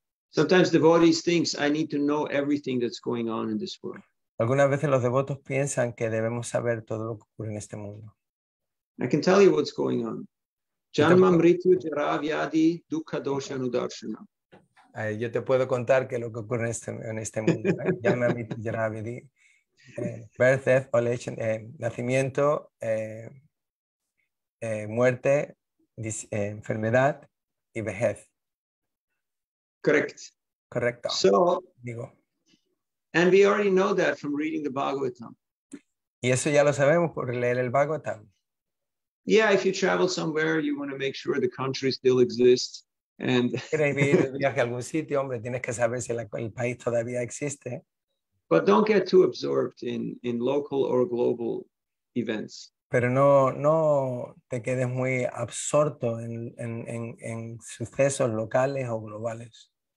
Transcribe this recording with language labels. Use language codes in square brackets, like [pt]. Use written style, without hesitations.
[en] Sometimes devotees thinks I need to know everything that's going on in this world. [es] Algunas veces los devotos piensan que debemos saber todo lo que ocurre en este mundo. [en] I can tell you what's going on. [sa] Janma mritu jara vyadi dukkha dosha anudarshana. [es] Yo te puedo contar que lo que ocurre en este mundo. [sa] Janma mritu jara vyadi. [en] Birth, death, election, [es] nacimiento, muerte, enfermedad y vejez. [en] Correct. [es] Correcto. [en] So, and we already know that from reading the Bhagavatam. [es] Y eso ya lo sabemos por leer el Bhagavatam. [en] Yeah, if you travel somewhere, you want to make sure the country still exists. And [es] viaje a algún sitio, hombre, tienes que saber si el país todavía existe. [en] But don't get too absorbed in local or global events. [es] Pero no te quedes muy absorto en sucesos locales o globales.